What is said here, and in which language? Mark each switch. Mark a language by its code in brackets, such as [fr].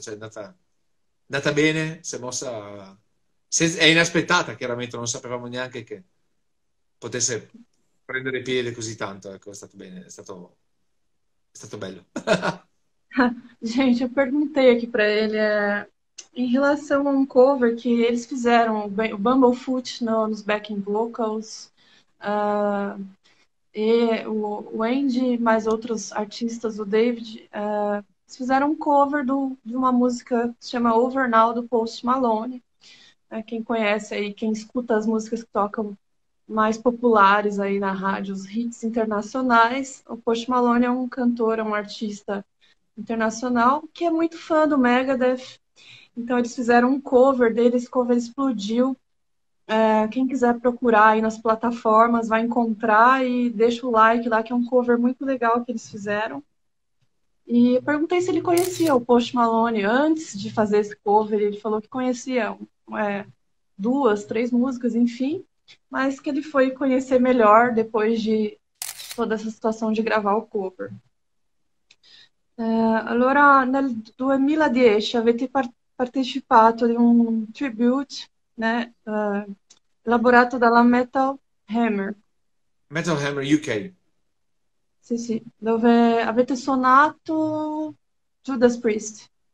[it] Cioè, è andata bene, si è mossa. È inaspettata, chiaramente, non sapevamo neanche che potesse prendere piede così tanto. Ecco, è stato bene, è stato bello. [pt] Gente, eu perguntei aqui para ele em relação a um cover que eles fizeram, o Bumblefoot nos backing vocals, e o Andy, mais outros artistas, o David, fizeram um cover de uma música que se chama Over Now, do Post Malone. Quem conhece aí, quem escuta as músicas que tocam mais populares aí na rádio, os hits internacionais, o Post Malone é um cantor, é um artista internacional, que é muito fã do Megadeth. Então eles fizeram um cover deles, cover explodiu. Quem quiser procurar aí nas plataformas vai encontrar e deixa o like lá, que é um cover muito legal que eles fizeram. E perguntei se ele conhecia o Post Malone antes de fazer esse cover. Ele falou que conhecia duas, três músicas, enfim, mas que ele foi conhecer melhor depois de toda essa situação de gravar o cover. [it] Allora, nel 2010 avete partecipato di un tribute, né, elaborato dalla Metal Hammer. Metal Hammer UK. Sì, dove avete suonato Judas Priest.